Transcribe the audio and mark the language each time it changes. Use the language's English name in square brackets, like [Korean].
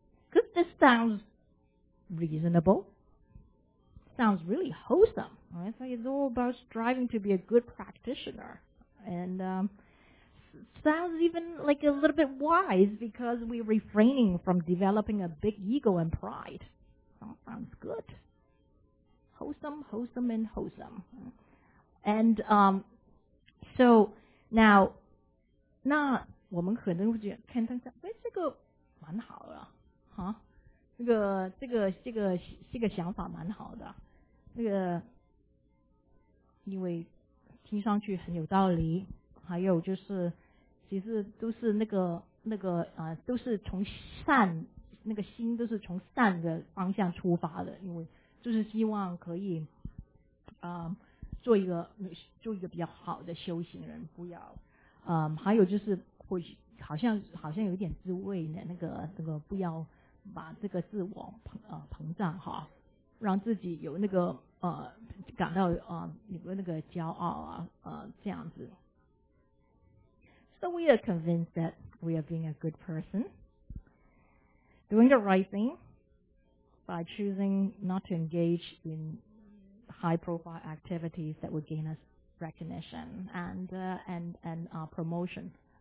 [English] Because this sounds reasonable, sounds really wholesome, right? So it's all about striving to be a good practitioner, and sounds even like a little bit wise because we're refraining from developing a big ego and pride. Sounds good. Wholesome, wholesome, and wholesome. And so now, [Chinese] 那我们可能会觉得看上去，哎，这个蛮好的，哈，这个想法蛮好的，那个因为听上去很有道理，还有就是。其实都是那个都是从善，那个心都是从善的方向出发的，因为就是希望可以做一个比较好的修行人，不要还有就是会好像有点自慰的那个不要把这个自我膨胀哈，让自己有那个感到有个那个骄傲啊这样子。 [English] So we are convinced that we are being a good person, doing the right thing by choosing not to engage in high-profile activities that would gain us recognition and promotion.